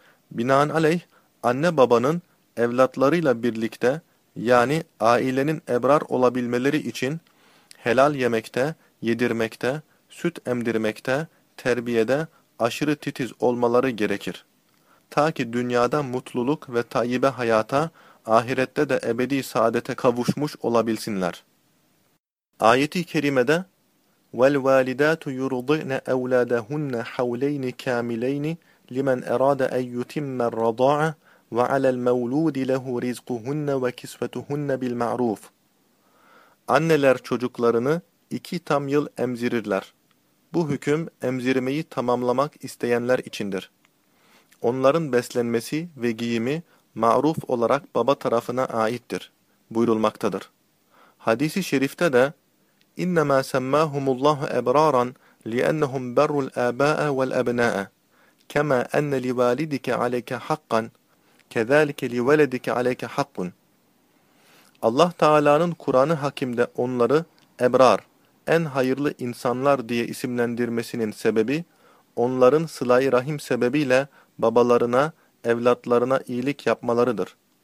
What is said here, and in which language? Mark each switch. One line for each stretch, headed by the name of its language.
Turkish: Binaenaleyh anne babanın evlatlarıyla birlikte yani ailenin ebrar olabilmeleri için helal yemekte, yedirmekte, süt emdirmekte, terbiyede aşırı titiz olmaları gerekir. Ta ki dünyada mutluluk ve tayyibe hayata, ahirette de ebedi saadete kavuşmuş olabilsinler. Ayet-i kerimede
Arabic: وَالْوَالِدَاتُ يُرُضِعْنَ اَوْلَادَهُنَّ حَوْلَيْنِ كَامِلَيْنِ لِمَنْ اَرَادَ اَنْ يُتِمَّ الرَّضَاعَ وَعَلَى الْمَوْلُودِ لَهُ رِزْقُهُنَّ وَكِسْفَتُهُنَّ بِالْمَعْرُوفِ
Turkish: Anneler çocuklarını 2 tam yıl emzirirler. Bu hüküm emzirmeyi tamamlamak isteyenler içindir. Onların beslenmesi ve giyimi maruf olarak baba tarafına aittir, buyurulmaktadır. Hadis-i şerifte de
Arabic: اِنَّمَا سَمَّاهُمُ اللّٰهُ اَبْرَارًا لِأَنَّهُمْ بَرُّ الْآبَاءَ وَالْأَبْنَاءَ كَمَا أَنَّ لِوَالِدِكَ عَلَيْكَ حَقًّا كَذَٰلِكَ لِوَلَدِكَ عَلَيْكَ حَقٌّ
Turkish: Allah Teala'nın Kur'an-ı Hakim'de onları ebrar, en hayırlı insanlar diye isimlendirmesinin sebebi, onların sıla-i rahim sebebiyle babalarına, evlatlarına iyilik yapmalarıdır.